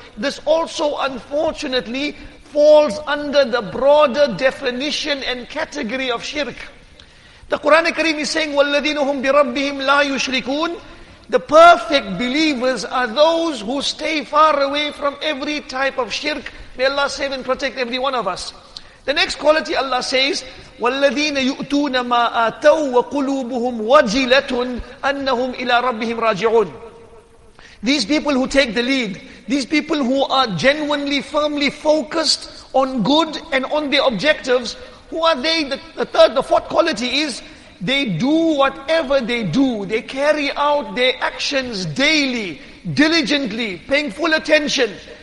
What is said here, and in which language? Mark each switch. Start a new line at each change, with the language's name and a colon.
English: This also, unfortunately, falls under the broader definition and category of shirk. The Quran Kareem is saying,
Arabic: وَالَّذِينَ هُمْ بِرَبِّهِمْ لَا يُشْرِكُونَ.
English: The perfect believers are those who stay far away from every type of shirk. May Allah save and protect every one of us. The next quality Allah says,
Arabic: وَالَّذِينَ يُؤْتُونَ مَا آتَوْا وَقُلُوبُهُمْ وَجِلَةٌ أَنَّهُمْ إِلَىٰ رَبِّهِمْ رَاجِعُونَ.
English: These people who take the lead, these people who are genuinely, firmly focused on good and on their objectives, who are they? The fourth quality is, they do whatever they do. They carry out their actions daily, diligently, paying full attention.